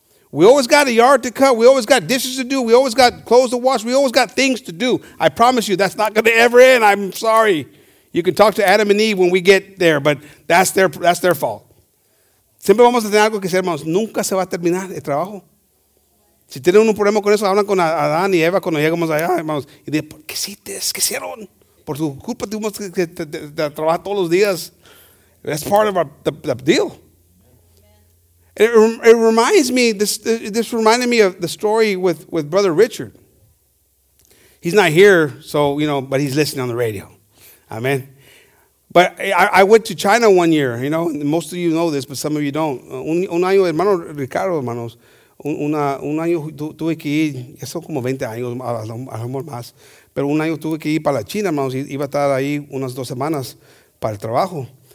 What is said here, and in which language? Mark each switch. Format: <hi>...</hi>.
<en>We always got a yard to cut. We always got dishes to do. We always got clothes to wash. We always got things to do. I promise you, that's not going to ever end. I'm sorry. You can talk to Adam and Eve when we get there, but that's their fault.</en> <es>Siempre vamos a tener algo que hacer, hermanos. Nunca se va a terminar el trabajo. Si tienen un problema con eso, hablan con Adán y Eva cuando llegamos allá, hermanos. Y dicen, ¿por qué hicieron? Por tu culpa tuvimos que trabajar todos los días.</es> <en>That's part of the deal. It reminds me, this reminded me of the story with Brother Richard. He's not here, so, but he's listening on the radio. Amen. But I went to China 1 year, and most of you know this, but some of you don't.</en> <es>Un año, hermano Ricardo, hermanos, un año tuve que ir, ya son como 20 años, a lo mejor más, pero un año tuve que ir para la China, hermanos, iba a estar ahí unas 2 semanas para el trabajo.</es>